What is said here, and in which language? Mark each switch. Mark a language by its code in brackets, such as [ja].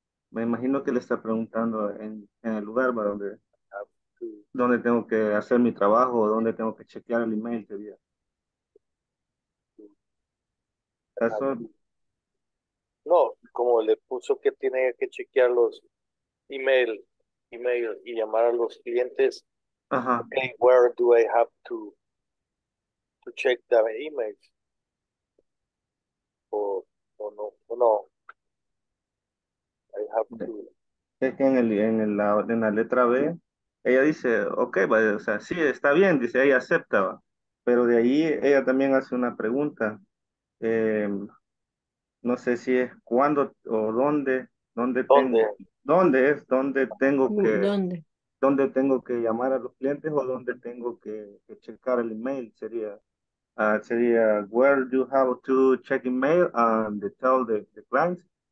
[es] Me imagino que le está preguntando en el lugar donde tengo que hacer mi trabajo o donde tengo que chequear el email que había. ¿Eso? No, como le puso que tiene que chequear los email y llamar a los clientes. Ajá. [en] Okay, where do I have to check the emails? [es] O no. [en] I have to. [es] Es que en la letra B, ella dice, ok, vaya, o sea, sí, está bien, dice, ella acepta, va. Pero de ahí ella también hace una pregunta. No sé si es cuándo o dónde tengo que llamar a los clientes o dónde tengo que checar el email. Sería [en] where do you have to check email and tell the clients.